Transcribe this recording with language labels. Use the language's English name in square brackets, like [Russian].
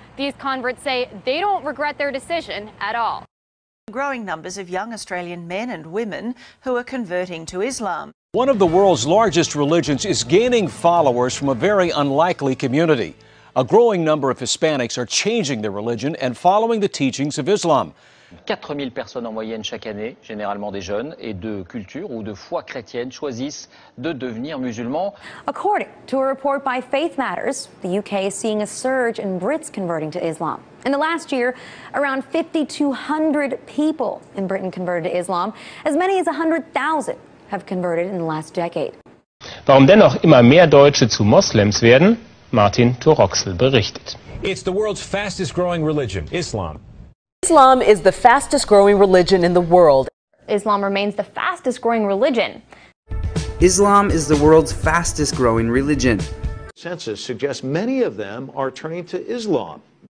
[English] These converts say they don't regret their decision at all. Growing numbers of young Australian men and women who are converting to Islam. One of the world's largest religions is gaining followers from a very unlikely community. A growing number of Hispanics are changing their religion and following the teachings of Islam. [French] 4000 personnes en moyenne chaque année, généralement des jeunes et de culture ou de foi chrétienne, choisissent de devenir musulmans. [English] According to a report by Faith Matters, the UK is seeing a surge in Brits converting to Islam. In the last year, around 5,200 people in Britain converted to Islam. As many as 100,000 have converted in the last decade. [German] Warum dennoch immer mehr Deutsche zu Moslems werden? Martin Toroxel berichtet. [English] It's the world's fastest growing religion, Islam. Islam is the fastest growing religion in the world. Islam remains the fastest growing religion. Islam is the world's fastest growing religion. Census suggests many of them are turning to Islam.